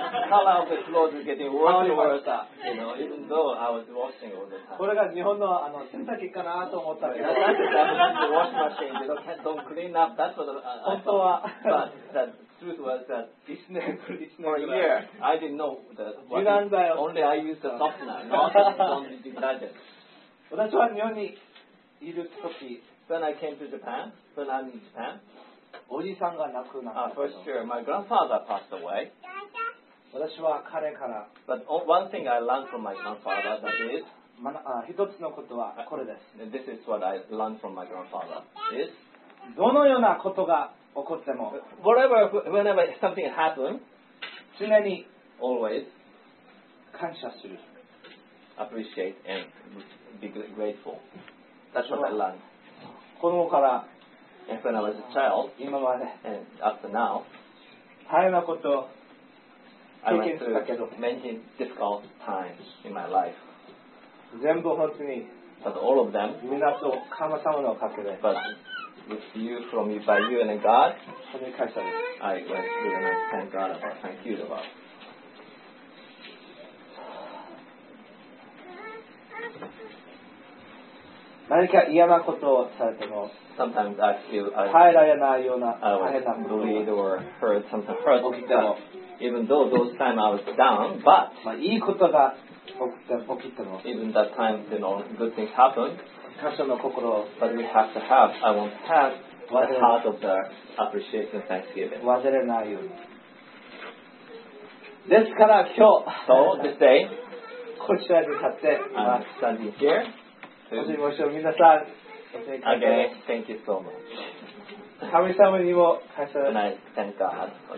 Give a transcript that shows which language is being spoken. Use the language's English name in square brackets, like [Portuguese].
[English] color of the clothes is getting worse and worse. You know, even though I was washing all the time. [Japanese] これが日本のあの洗濯機かなと思ったら。 [English] That's the Japanese washing machine. Don't clean up. That's what I thought. [Japanese] 本当は。 [English] But the truth was that this never, this for a year, I didn't know that. [Japanese] 柔軟剤を。 [English] Only I used the softener, not the laundry detergent. [Japanese] 私は日本にいるとき、 [English] when I came to Japan, when I'm in Japan, [Japanese] おじさんが亡くなった。 [English] First year, my grandfather passed away. [Japanese] 私は彼から。 [English] But one thing I learned from my grandfather that is, [Japanese] 一つのことはこれです。 [English] This is what I learned from my grandfather is, [Japanese] どのようなことが起こっても、 [English] whatever, whenever something happens, [Japanese] 常に、 [English] always, [Japanese] 感謝する。 [English] Appreciate and be grateful. That's what I learned. [Japanese] 子供から [English] And when I was a child, [Japanese] 今まで [English] and up to now, [Japanese] 大変なこと経験したけど [English] I went through many difficult times in my life. [Japanese] 全部本当に [English] But all of them, [Japanese] 皆と神様のおかげで [English] But with you, from you, by you and God, [Japanese] 本当に感謝です [English] I went through and I thank God about, thank you about. [Japanese] 何か嫌なことをされても [English] Sometimes I feel [Japanese] 耐えられないような大変なことが [English] bleed or hurt, something hurt [Japanese] 起きても [English] Even though those times I was down, but [Japanese] まあいいことが起きても [English] Even that time, you know, good things happen [Japanese] 感謝の心を [English] But we have to have, I want to have the heart of the appreciation thanksgiving [Japanese] 忘れないようにですから今日 [English] So this day [Japanese] こちらに立っています [English] I'm standing here [Japanese] もしもし皆さん、 [English] Again, thank you so much. [Japanese] 神様にも感謝です。 [English] And I thank God for